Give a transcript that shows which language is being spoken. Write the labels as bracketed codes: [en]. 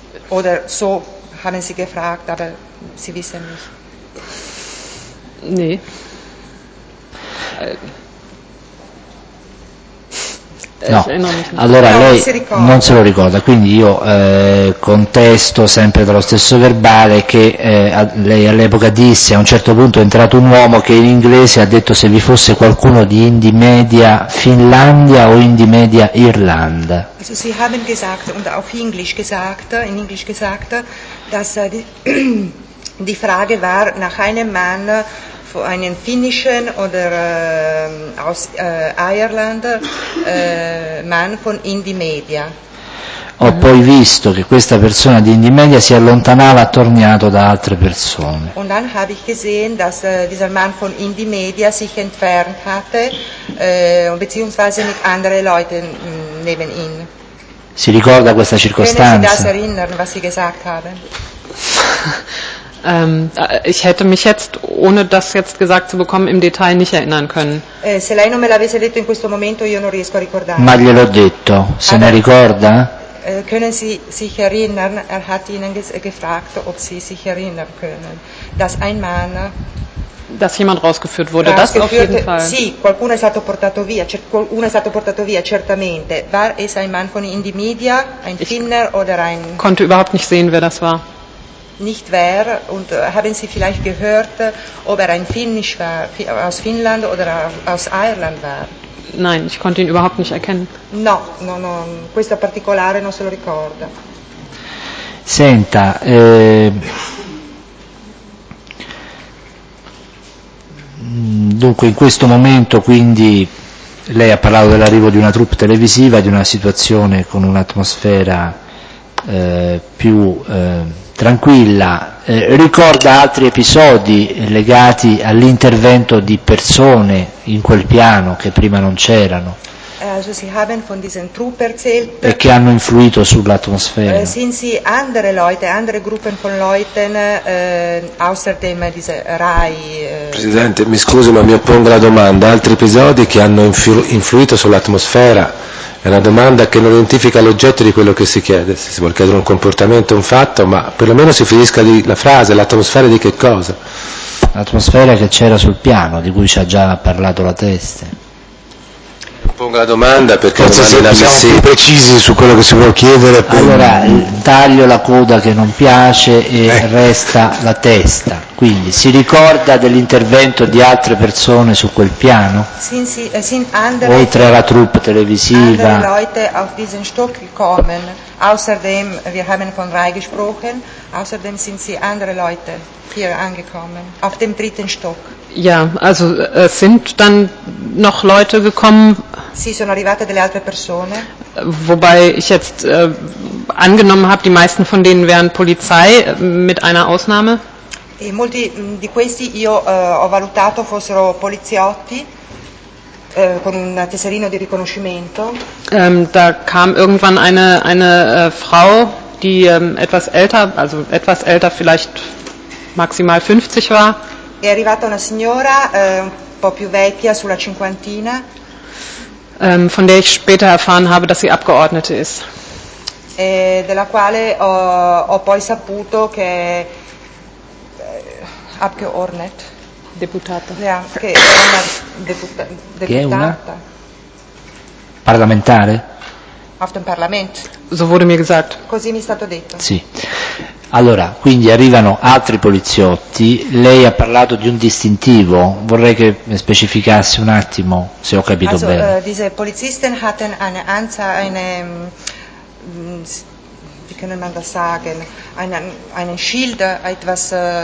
[de] Oder so haben Sie gefragt, aber Sie wissen nicht. Nee. [it] No, allora lei non se lo ricorda, quindi io contesto sempre dallo stesso verbale che lei all'epoca disse, a un certo punto è entrato un uomo che in inglese ha detto se vi fosse qualcuno di Indy Media Finlandia o Indy Media Irlanda. [de] Also Sie haben gesagt und auf Englisch gesagt, in Englisch gesagt, dass die Frage war nach einem Mann, einen finnischen oder aus Irland Mann von Indie Media. [it] Ho poi visto che questa persona di Indie Media si allontanava attorniato da altre persone. [de] Und dann habe ich gesehen, dass dieser Mann von Indie Media sich entfernt hatte beziehungsweise mit anderen Leuten neben ihm. [it] Si ricorda questa circostanza? [de] Können Sie das erinnern, was Sie gesagt haben? Ich hätte mich jetzt, ohne das jetzt gesagt zu bekommen, im Detail nicht erinnern können. [it] Se lei non me l'avesse detto in questo momento, io non riesco a ricordare. Ma gliel'ho detto. Se ne ricorda? [de] Können Sie sich erinnern? Hat Ihnen gefragt, ob Sie sich erinnern können, dass ein Mann dass jemand rausgeführt wurde, das auf jeden Fall. [it] Sì, qualcuno è stato portato via, uno è stato portato via, certamente. [de] War es ein Mann von Indymedia, ein Finner oder ein... Ich konnte überhaupt nicht sehen, wer das war. Nicht wer, und haben Sie vielleicht gehört, ob er ein Finnisch war, aus Finnland oder aus Irland war? Nein, ich konnte ihn überhaupt nicht erkennen. [it] No, no, no, questo particolare non se lo ricorda. Senta, dunque in questo momento quindi lei ha parlato dell'arrivo di una troupe televisiva, di una situazione con un'atmosfera più tranquilla, ricorda altri episodi legati all'intervento di persone in quel piano che prima non c'erano? Also Sie haben von diesen Truppen erzählt. E che hanno influito sull'atmosfera. Sind Sie andere Leute, andere Gruppen von Leuten, außerdem diese Rai? Presidente, mi scusi, ma mi oppongo alla domanda. Altri episodi che hanno influito sull'atmosfera? È una domanda che non identifica l'oggetto di quello che si chiede. Se si vuole chiedere un comportamento, un fatto, ma perlomeno si finisca di la frase, l'atmosfera di che cosa? L'atmosfera che c'era sul piano, di cui ci ha già parlato la testa. Pongo la domanda perché forse non siamo più precisi su quello che si vuole chiedere. Allora, taglio la coda che non piace e resta la testa. Quindi, si ricorda dell'intervento di altre persone su quel piano? Oltre alla troupe televisiva? [de] Leute auf diesen Stock gekommen. Außerdem, wir haben von Rai gesprochen, außerdem sind sie andere Leute hier angekommen, auf dem dritten Stock. Ja, also sind dann noch Leute gekommen. Sie sind [it] arrivate delle altre persone. [de] Wobei ich jetzt angenommen habe, die meisten von denen wären Polizei, mit einer Ausnahme. [it] E molti di questi io ho valutato fossero poliziotti. Con un tesserino di riconoscimento. [de] Da kam irgendwann eine Frau, die etwas älter, also etwas älter, vielleicht maximal 50 war. [it] È arrivata una signora un po' più vecchia, sulla cinquantina. [de] Von der ich später erfahren habe, dass sie Abgeordnete ist. [it] E della quale ho poi saputo che [de] abgeordnet. [it] Deputata. Yeah, che è una deputata. Parlamentare? [de] Auf dem Parlament. So wurde mir gesagt. [it] Così mi è stato detto. Sì. Allora, quindi arrivano altri poliziotti. Lei ha parlato di un distintivo. Vorrei che specificasse un attimo, se ho capito [de] also, [it] bene. [de] Diese Polizisten hatten eine Anzahl, eine... wie können man das sagen? Einen Schild, etwas...